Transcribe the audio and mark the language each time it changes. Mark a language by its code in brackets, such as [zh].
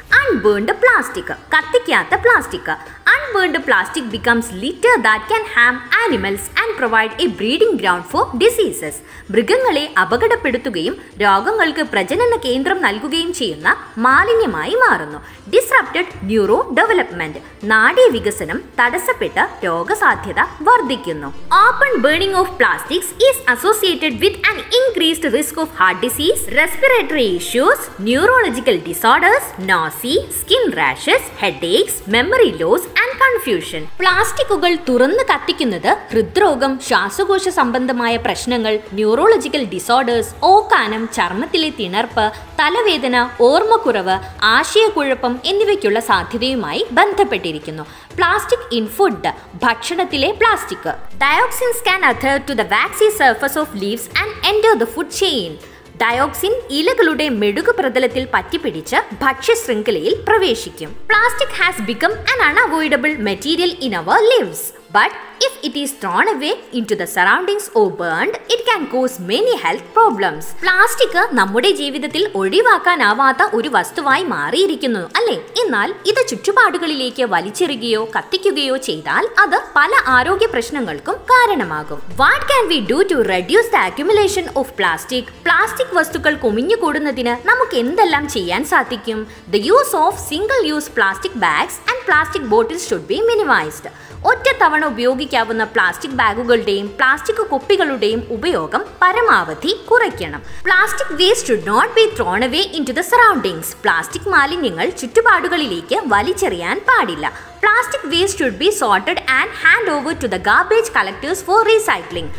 [en] unburned plastic, [ml] കത്തിക്കാത്ത plastic. [en] Unburned plastic becomes litter that can harm animals and provide a breeding ground for diseases. [ml] മൃഗങ്ങളെ അപകടപ്പെടുത്തുകയും രോഗങ്ങൾക്ക് പ്രജനന കേന്ദ്രം നൽകുകയും ചെയ്യുന്ന മാലിന്യമായി മാറുന്നു. [en] disrupted neuro development, [ml] നാഡീ വികസനം തടസ്സപ്പെട്ട് രോഗസാധ്യത വർദ്ധിക്കുന്നു. [en] Open burning of plastic is associated with an increased risk of heart disease, respiratory issues, neurological disorders, nausea, skin rashes, headaches, memory loss and confusion. [ml] പ്ലാസ്റ്റിക്കുകൾ തുറന്നു കത്തിക്കുന്നത് ഹൃദ്രോഗം, ശ്വാസകോശ സംബന്ധമായ പ്രശ്നങ്ങൾ, ന്യൂറോളജിക്കൽ ഡിസോർഡേഴ്സ്, ഓക്കാനം, ചർമ്മത്തിലെ തിണർപ്പ്, തലവേദന, ഓർമ്മക്കുറവ്, ആശയക്കുഴപ്പം എന്നിവയ്ക്കുള്ള സാധ്യതയുമായി ബന്ധപ്പെട്ടിരിക്കുന്നു. [en] plastic in food, [ml] ഭക്ഷണത്തിലെ plastic. [en] Dioxins can adhere to the waxy surface of leaves and enter the food chain. [ml] Dioxin ഇലകളുടെ മെഴുകു പ്രതലത്തിൽ പറ്റിപ്പിടിച്ച് ഭക്ഷ്യ ശൃംഖലയിൽ പ്രവേശിക്കും. [en] Plastic has become an unavoidable material in our lives. But if it is thrown away into the surroundings or burned, it can cause many health problems. [ml] Plastic നമ്മുടെ ജീവിതത്തിൽ ഒഴിവാക്കാനാവാത്ത ഒരു വസ്തുവായി മാറിയിരിക്കുന്നു അല്ലേ? എന്നാൽ ഇത് ചുറ്റുപാടുകളിലേക്ക് വലിച്ചെറിയുകയോ കത്തിക്കുകയോ ചെയ്താൽ അത് പല ആരോഗ്യ പ്രശ്നങ്ങൾക്കും കാരണമാകും. [en] What can we do to reduce the accumulation of plastic? [ml] Plastic വസ്തുക്കൾ കുമിഞ്ഞു കൂടുന്നതിന് നമുക്ക് എന്തെല്ലാം ചെയ്യാൻ സാധിക്കും? [en] The use of single use plastic bags and plastic bottles should be minimized. [ml] ഒറ്റത്തവണ ഉപയോഗിക്കാവുന്ന പ്ലാസ്റ്റിക് ബാഗുകളുടെയും പ്ലാസ്റ്റിക് കുപ്പികളുടെയും ഉപയോഗം പരമാവധി കുറയ്ക്കണം. [en] Plastic waste should not be thrown away in to the surroundings. [ml] Plastic മാലിന്യങ്ങൾ ചുറ്റുപാടുകളിലേക്ക് വലിച്ചെറിയാൻ പാടില്ല. [en] Plastic waste should be sorted and hand over to the garbage collectors for recycling.